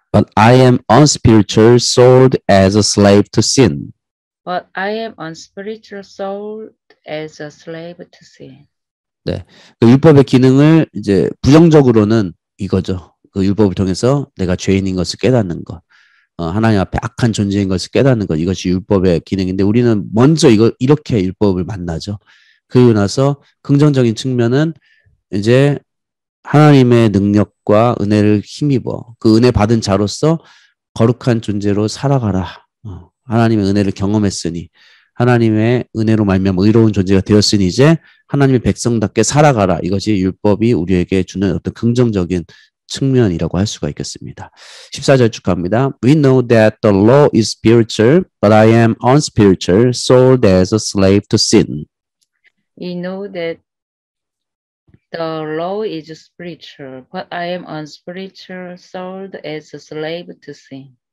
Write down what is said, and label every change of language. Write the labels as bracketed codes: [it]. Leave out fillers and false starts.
[en] But I am unspiritual, sold as a slave to sin. But I am unspiritual, sold as a slave to sin. [ko] 네. 그 율법의 기능을 이제 부정적으로는 이거죠. 그 율법을 통해서 내가 죄인인 것을 깨닫는 것. 하나님 앞에 악한 존재인 것을 깨닫는 것, 이것이 율법의 기능인데 우리는 먼저 이렇게 율법을 만나죠. 그리고 나서 긍정적인 측면은 이제 하나님의 능력과 은혜를 힘입어 그 은혜 받은 자로서 거룩한 존재로 살아가라. 하나님의 은혜를 경험했으니 하나님의 은혜로 말미암아 의로운 존재가 되었으니 이제 하나님의 백성답게 살아가라. 이것이 율법이 우리에게 주는 어떤 긍정적인 측면이라고 할 수가 있겠습니다. 14절 쭉 갑니다. [en] We know that the law is spiritual, but I am unspiritual, sold as a slave to sin. We know that the law is spiritual, but I am unspiritual, sold as a slave to sin.